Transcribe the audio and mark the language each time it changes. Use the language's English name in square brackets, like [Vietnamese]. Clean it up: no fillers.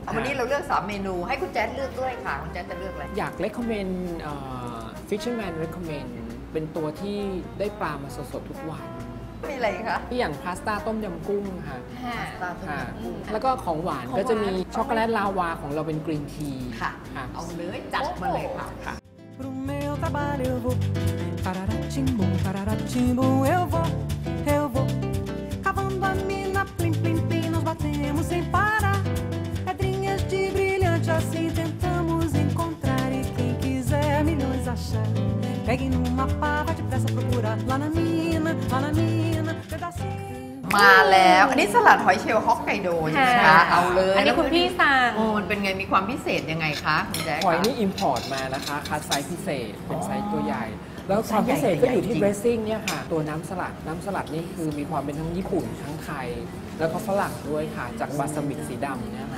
[Thai] วันนี้เราเลือก3เมนูให้คุณแจ๊สเลือกด้วยค่ะคุณแจ๊สจะเลือกอะไร อยาก recommend Fisherman recommend เป็นตัวที่ได้ปลามาสดๆทุกวัน มีอะไรคะ ที่อย่างพาสต้าต้มยำกุ้งค่ะ พาสต้าต้มยำกุ้ง แล้วก็ของหวานก็จะมีช็อกโกแลตลาวาของเราเป็นกรีนที ค่ะเอาเนื้อจัดมาเลยค่ะ [Portuguese] Pro meu trabalho eu vou, tararatimbum, tararatimbum, eu vou, cavando a mina, plim, plim, plim, nós batemos sem parar, pedrinhas de brilhante assim tentamos encontrar, e quem quiser milhões achar, pegue numa pá, vai depressa procurar, lá na mina, pedacinho. [Thai] มาแล้วอันนี้สลัดหอยเชลล์ฮอกไกโดใช่ไหมคะเอาเลย อันนี้คุณพี่สั่ง โอ้มันเป็นไงมีความพิเศษยังไงคะคุณแจ๊ค หอยนี่อิมพอร์ตมานะคะคัสไซส์พิเศษเป็นไซส์ตัวใหญ่แล้วความพิเศษก็อยู่ที่เดรสซิ่งเนี่ยค่ะตัวน้ำสลัดน้ำสลัดนี่คือมีความเป็นทั้งญี่ปุ่นทั้งไทยแล้วก็ฝรั่งด้วยค่ะจากบาสมิกสีดำเนี่ย